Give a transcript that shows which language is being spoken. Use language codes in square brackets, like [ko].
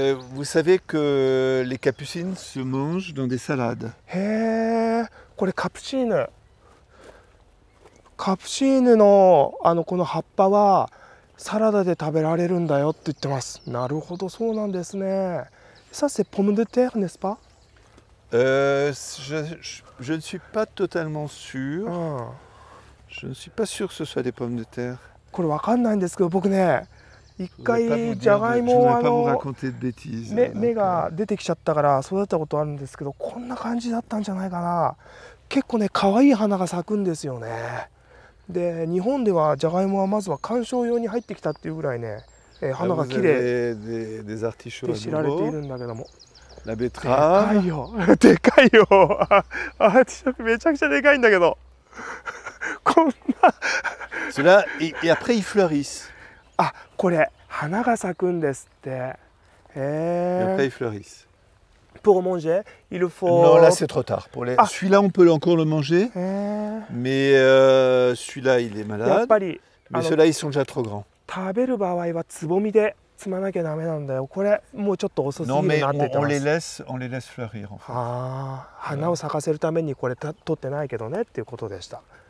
[fr] vous savez que les capucines se mangent dans des salades. [ja] Hé, これ capucine. Capucine のあのこの葉っぱはサラダで食べられるんだよって言ってます。なるほど、そうなんですね。 [fr] Ça, c'est pomme de terre, n'est-ce pas? Je ne suis pas totalement sûr. Je ne suis pas sûr que ce soit des pommes de terre. [ja] これわかんないんですけど、僕ね、一回ジャガイモをあの、 [fr] je voudrais pas vous raconter de bêtises. [ja] 芽が出てきちゃったから育ったことあるんですけど、こんな感じだったんじゃないかな。結構ね、可愛い花が咲くんですよね。で、日本ではジャガイモはまずは観賞用に入ってきたっていうぐらいね。花がきれいで知られているんだけども、ラベトラでかいよ、でかいよ、アーティショックめちゃくちゃでかいんだけど、こんな、 [fr] cela et après ils fleurissent。 [ja] あ、これ花が咲くんですって。 [fr] Après ils fleurissent。 Pour manger, il faut. Non, là c'est trop tard. Pour les. Celui-là, on peut encore le manger. Mais celui-là, il est malade. Mais ceux-là, ils sont déjà trop grands. [ja] 食べる場合はつぼみで摘まなきゃダメなんだよ。これもうちょっと遅すぎるなって言ってます。 [fr] Non, mais on les laisse fleurir, en fait. [ja] 花を咲かせるためにこれ取ってないけどねっていうことでした。